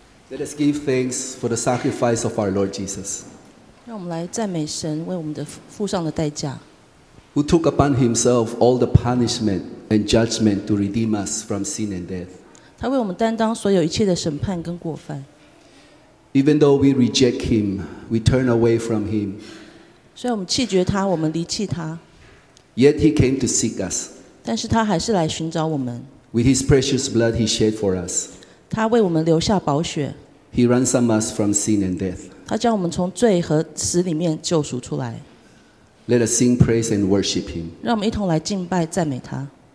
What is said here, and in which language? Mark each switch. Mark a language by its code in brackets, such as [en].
[en] Let us give thanks for the sacrifice of our Lord Jesus. [zh] 让我们来赞美神为我们的付上的代价. [en] Who took upon himself all the punishment and judgment to redeem us from sin and death. [zh] 他为我们担当所有一切的审判跟过犯. [en] Even though we reject him, we turn away from him. [zh] 虽然我们弃绝他，我们离弃他. [en] Yet he came to seek us. [zh] 但是他还是来寻找我们. [en] With his precious blood he shed for us. [zh] 他为我们留下宝血. [en] He ransomed us from sin and death. [zh] 他将我们从罪和死里面救赎出来. [en] Let us sing praise and worship him. [zh] 让我们一同来敬拜赞美他.